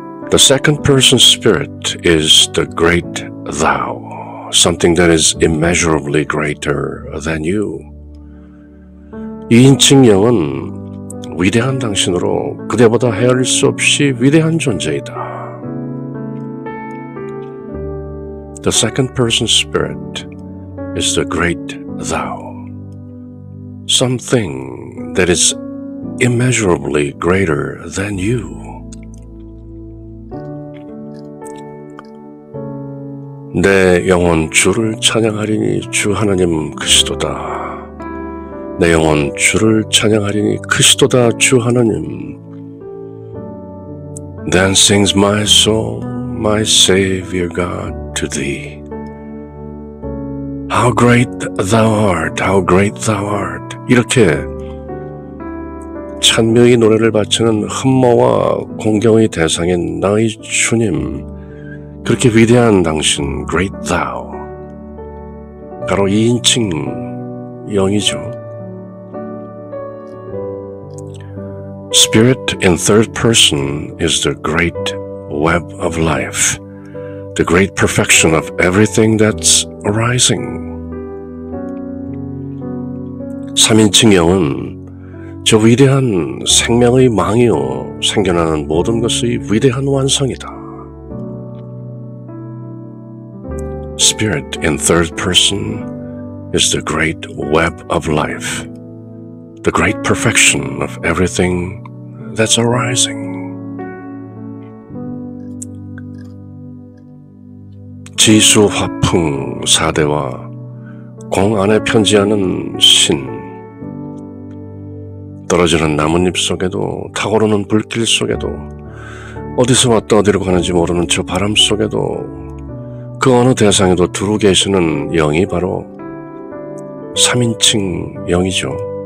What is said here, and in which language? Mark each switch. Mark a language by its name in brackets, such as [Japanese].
[English] The second person spirit is the great thou, something that is immeasurably greater than you. [Korean] 2인칭 영은 위대한 당신으로 그대보다 헤아릴 수 없이 위대한 존재이다. [English] The second person spirit is the great thou, something that is immeasurably greater than you. [Korean] 내 영혼 주를 찬양하리니 주 하나님 크시도다. 내 영혼 주를 찬양하리니 크시도다 주 하나님. [English] Then sings my soul, my Savior God, to thee. How great thou art, how great thou art. [Korean] 이렇게 찬미의 노래를 바치는 흠모와 공경의 대상인 나의 주님, 그렇게 위대한 당신, great thou, 바로 2인칭 영이죠. [English] Spirit in third person is the great web of life, the great perfection of everything that's arising. [Korean] 3인칭 영은 저 위대한 생명의 망이요 생겨나는 모든 것의 위대한 완성이다. [English] Spirit in third person is the great web of life, the great perfection of everything that's arising. [Korean] 지수 화풍 사대와 공 안에 편지하는 신, 떨어지는 나뭇잎 속에도 타오르는 불길 속에도 어디서 왔다 어디로 가는지 모르는 저 바람 속에도 그 어느 대상에도 두루 계시는 영이 바로 3인칭 영이죠.